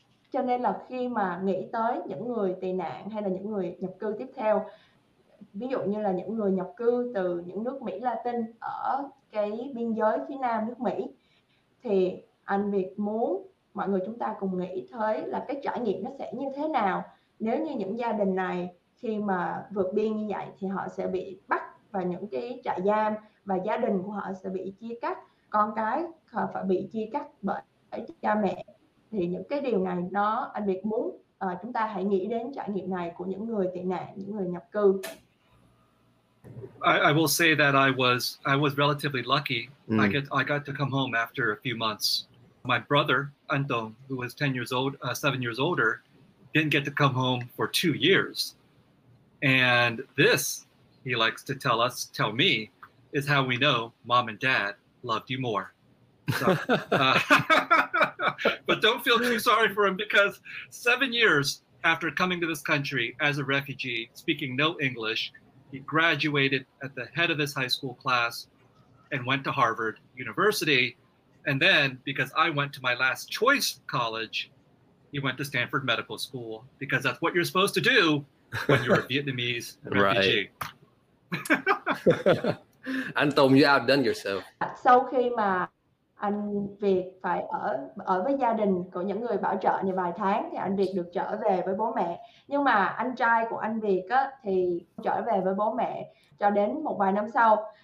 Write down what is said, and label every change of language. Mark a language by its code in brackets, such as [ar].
[vi] Cho nên là khi mà nghĩ tới những người tị nạn hay là những người nhập cư tiếp theo, ví dụ như là những người nhập cư từ những nước Mỹ Latin ở cái biên giới phía nam nước Mỹ, thì anh Việt muốn mọi người chúng ta cùng nghĩ tới là cái trải nghiệm nó sẽ như thế nào nếu như những gia đình này khi mà vượt biên như vậy thì họ sẽ bị bắt vào những cái trại giam và gia đình của họ sẽ bị chia cắt, con cái phải bị chia cắt bởi cha mẹ. Thì những cái điều này nó, anh Việt muốn chúng ta hãy nghĩ đến trải nghiệm này của những người tị nạn, những người nhập cư. [en] I will say that I was relatively lucky. Mm. I got to come home after a few months. My brother Anton, who was 10 years old, 7 years older, didn't get to come home for 2 years. And this, he likes to tell me, is how we know mom and dad loved you more. So, but don't feel too sorry for him, because 7 years After coming to this country as a refugee, speaking no English, he graduated at the head of his high school class and went to Harvard University. And then, because I went to my last choice college, he went to Stanford Medical School, because that's what you're supposed to do when you're a Vietnamese refugee. Anh Tùng, you outdone yourself. [vi] Sau khi mà anh Việt phải ở với gia đình của những người bảo trợ như vài tháng thì anh Việt được trở về với bố mẹ. Nhưng mà anh trai của anh Việt á, thì trở về với bố mẹ cho đến một vài năm sau.